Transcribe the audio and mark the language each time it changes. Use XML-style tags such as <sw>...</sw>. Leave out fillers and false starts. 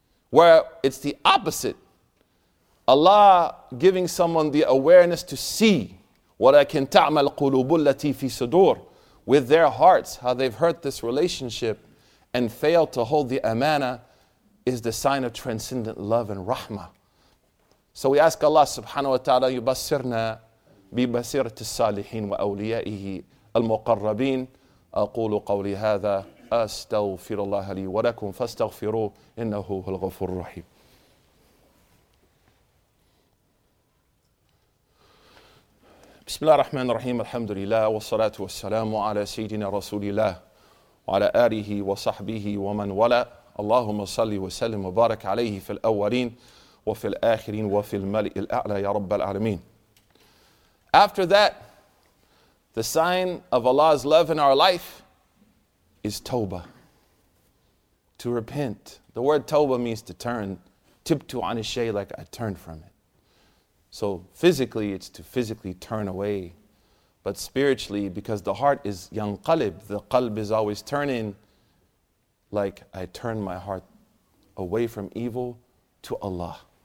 <en>Where it's the opposite. Allah giving someone the awareness to see what I can</en> <ar>ta'mal qulubu allati fi sudur,</ar> <en>with their hearts, how they've hurt this relationship and failed to hold the amana, is the sign of transcendent love and rahmah. So we ask</en> <ar>Allah subhanahu wa ta'ala, yubassirna bi basirati salihin wa awliya'ihi المقربين أقول قولي هذا أستغفر الله لي ولكم فاستغفروه إنه هو الغفور الرحيم. بسم الله الرحمن الرحيم الحمد لله والصلاة والسلام على سيدنا رسول الله وعلى آله وصحبه ومن ولا اللهم صل وسلم وبارك عليه في الأولين وفي الآخرين وفي الملأ الأعلى يا رب العالمين.</ar> <en>After that, the sign of Allah's love in our life is tawbah, to repent. The word tawbah means to turn,</en> <ar>tibtu anishay,</ar> <en>like I turned from it. So physically, it's to physically turn away. But spiritually, because the heart is yanqalib, the qalb is always turning, like I turn my heart away from evil to Allah.</en>